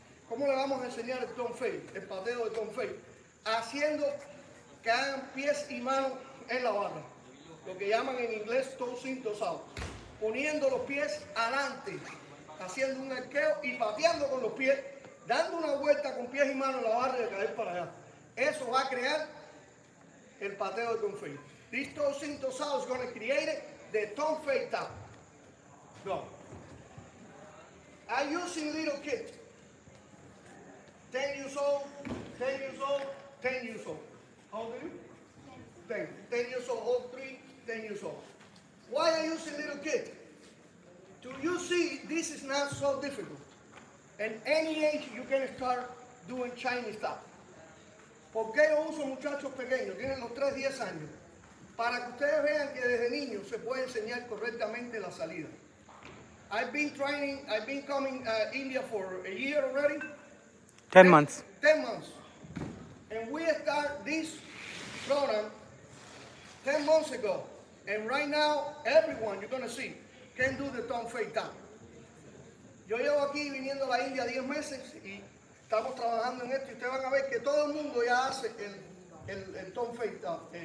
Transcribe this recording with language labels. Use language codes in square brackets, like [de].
[es] ¿Cómo le vamos a enseñar el tom feita, el pateo de tom feita? Haciendo que hagan pies y manos en la barra. Lo que llaman en inglés [en] toes in, toes out. [es] Poniendo los pies adelante, haciendo un arqueo y pateando con los pies, dando una vuelta con pies y manos en la barra y de caer para allá. Eso va a crear el pateo de tom feita. [en] This toes in, toes out is going to create the tom feita. Go. I'm using little kids. 10 years old, 10 years old, 10 years old. How old are you? 10. 10 years old, old 3, 10 years old. Why are you using little kid? Do you see this is not so difficult? At any age you can start doing Chinese stuff. [es] ¿Por qué yo uso muchachos pequeños? Tienen los 3, 10 años. Para que ustedes vean que desde niños se puede enseñar correctamente la salida. [en] I've been coming India for a year already. 10 months. 10 months. And we start this program 10 months ago. And right now, everyone, you're going to see, can do the tom feita. [es] Yo llevo aquí viniendo a la India 10 meses y estamos trabajando en esto. Y ustedes van a ver que todo el mundo ya hace el tom feita.